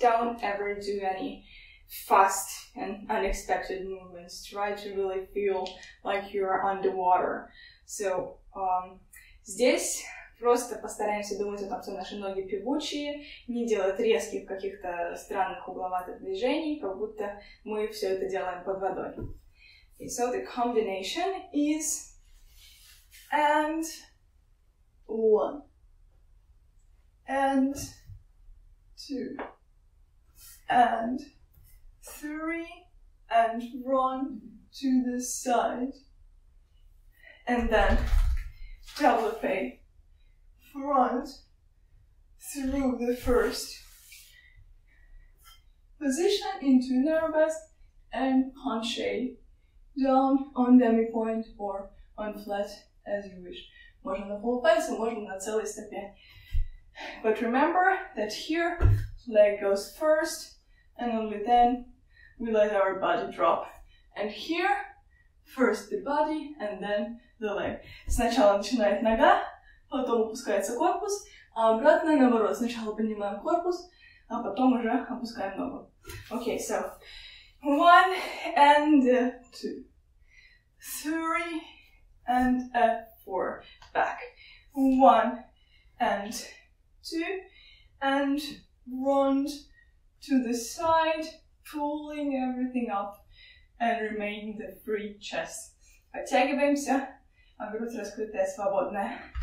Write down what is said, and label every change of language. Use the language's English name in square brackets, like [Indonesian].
[English] Don't ever do any fast and unexpected movements. Try to really feel like you're underwater. [Russian] So, здесь просто постараемся думать о том, что наши ноги певучие, не делать резких каких-то странных угловатых движений, как будто мы все это делаем под водой. [English] Okay, so the combination is and one and two and three and run to the side and then développé front through the first position into nervous and penché down on demi point or on flat as you wish. [Russian] Можно на полупальце, можно на целой стопе. [English] But remember that here, leg goes first, and only then we let our body drop. And here, first the body, and then the leg. [Russian] Сначала начинает нога, потом опускается корпус, а обратно наоборот. Сначала поднимаем корпус, а потом уже опускаем ногу. [English] Okay, so, one and two, three and four, back. One and two and round to the side, pulling everything up and remain the free chest. [Russian] Подтягиваемся, а грудь раскрытая, свободная.